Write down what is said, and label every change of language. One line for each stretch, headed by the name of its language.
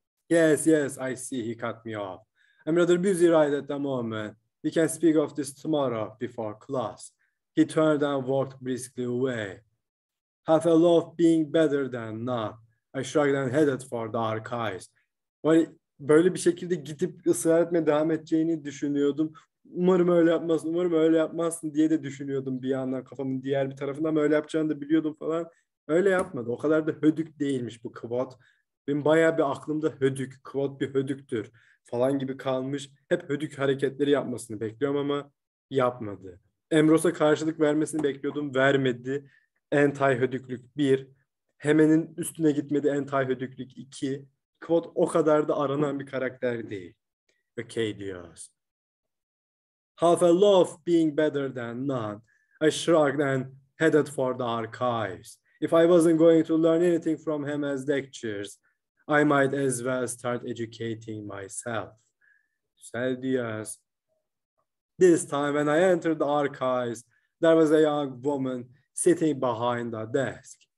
English: Yes, yes, I see, he cut me off. I'm rather busy right at the moment. We can speak of this tomorrow before class. He turned and walked briskly away. Half a loaf being better than none. I shrugged and headed for the archives.
Turkish: Hani böyle bir şekilde gidip ısrar etmeye devam edeceğini düşünüyordum. Umarım öyle yapmazsın, umarım öyle yapmazsın diye de düşünüyordum bir yandan kafamın diğer bir tarafından. Ama öyle yapacağını da biliyordum falan. Öyle yapmadı. O kadar da hödük değilmiş bu kvot. Benim bayağı bir aklımda hödük, kvot bir hödüktür falan gibi kalmış. Hep hödük hareketleri yapmasını bekliyorum ama yapmadı. Emros'a karşılık vermesini bekliyordum, vermedi. Entay hödüklük 1. Hemen'in üstüne gitmedi, entay hödüklük 2. Kvot o kadar da aranan bir karakter değil. Okay, diyoruz.
English: Half a loaf being better than none. I shrugged and headed for the archives. If I wasn't going to learn anything from Hema's lectures, I might as well start educating myself.
Turkish: Güzel diyoruz.
English: This time when I entered the archives, there was a young woman sitting behind the desk.